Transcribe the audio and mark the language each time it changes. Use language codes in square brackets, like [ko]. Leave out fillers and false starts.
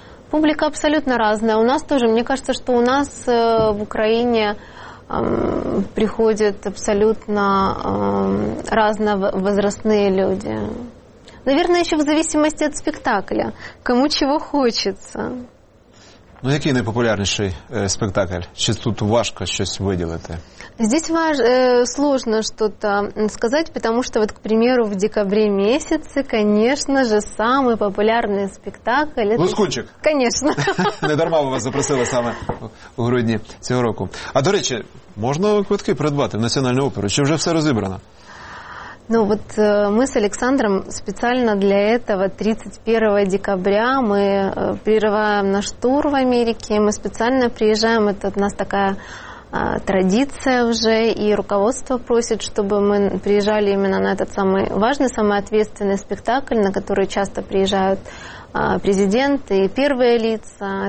[ru] Публика абсолютно разная. У нас тоже, мне кажется, что у нас в Украине приходят абсолютно разновозрастные люди. Наверное, еще в зависимости от спектакля. Кому чего хочется. [uk] Ну, який найпопулярніший спектакль? Чи тут важко щось виділити? [ru] Здесь сложно что-то сказать, потому что, вот, к примеру, в декабре месяце, конечно же, самый популярный спектакль... [uk] Лускунчик? [ru] Это... Конечно. [uk] Не дарма вас запросили саме у грудні цього року. А, до речі, можна квитки придбати в Національну оперу? Чи вже все розібрано? [ru] Ну вот мы с Александром специально для этого 31 декабря мы прерываем наш тур в Америке, мы специально приезжаем, это у нас такая традиция уже, и руководство просит, чтобы мы приезжали именно на этот самый важный, самый ответственный спектакль, на который часто приезжают президенты и первые лица.